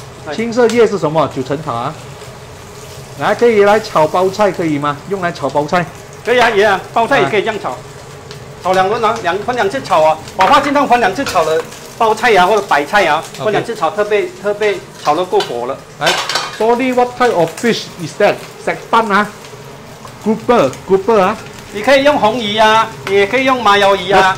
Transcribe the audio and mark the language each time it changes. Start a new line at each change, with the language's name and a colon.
Chinese: 。 青色叶是什么？九层塔啊。来，可以来炒包菜可以吗？用来炒包菜。可以啊，爷啊，包菜也可以这样炒。炒两轮啊，分两次炒啊，把花青汤分两次炒的包菜啊或者白菜啊，分两次炒，特别炒得够火了。
English: 来 ，Sorry, what type of fish is that?
Chinese: 石斑啊 ，grouper 啊。你可以用红鱼啊，你也可以用马鞘鱼啊。